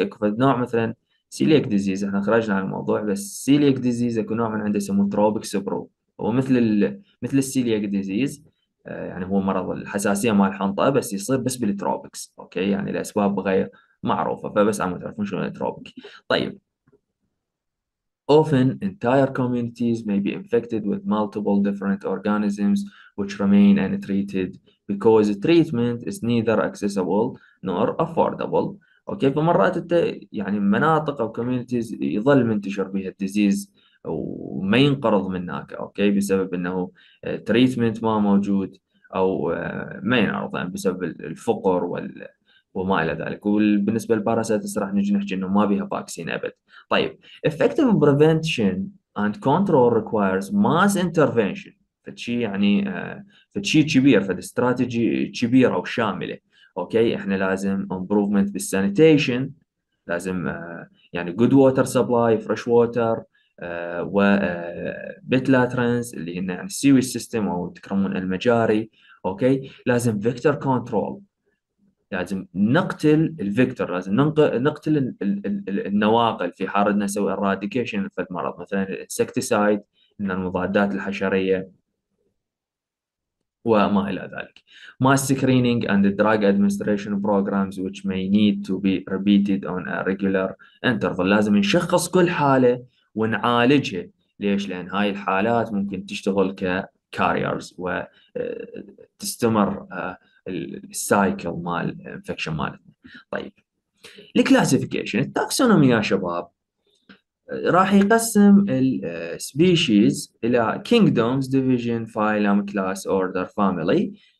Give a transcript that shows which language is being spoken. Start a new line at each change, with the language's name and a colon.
Arabic: اكو نوع مثلا سيليك ديزيز، احنا خرجنا عن الموضوع، بس سيليك ديزيز اكو نوع من عنده يسموه تروبيك سبرو، هو مثل السيليك ديزيز، يعني هو مرض الحساسيه مال الحنطه بس يصير بس بالتروبكس. اوكي يعني الاسباب غير معروفه فبس عم تعرفون شنو التروبيك.
English: طيب often entire communities may be infected with multiple different organisms which remain untreated because treatment is neither accessible nor affordable.
Arabic: اوكي فمرات انت يعني مناطق او كوميونيتيز يظل منتشر بها الديزيز وما ينقرض من هناك، اوكي، بسبب انه تريتمنت ما موجود او ما ينعرض يعني بسبب الفقر وما الى ذلك. وبالنسبه للباراسايتس راح نجي نحكي انه ما بها فاكسين ابد. طيب
English: effective prevention and control requires mass intervention،
Arabic: فتشي يعني فتشي كبير، فالاستراتيجي كبيره وشامله. اوكي احنا لازم امبروفمنت بالسانيتيشن، لازم يعني جود ووتر سبلاي فريش ووتر و بيت لاترنز اللي هن يعني السيويج سيستم او تكرمون المجاري. اوكي لازم فيكتور كنترول، لازم نقتل الفيكتور، لازم نقتل النواقل في حال بدنا نسوي اراديكيشن في المرض مثلا الانسكتسايد من المضادات الحشريه وما إلى ذلك.
English: Mass screening and the drug administration programs which may need to be repeated on a regular interval.
Arabic: لازم نشخص كل حالة ونعالجها. ليش؟ لأن هاي الحالات ممكن تشتغل كاريرز وتستمر السايكل مال انفكشن مالتنا. طيب الكلاسيفيكيشن التاكسونومي يا شباب راح يقسم السبيشيز الى كينجدومز ديفيجن فايلم كلاس اوردر فاميلي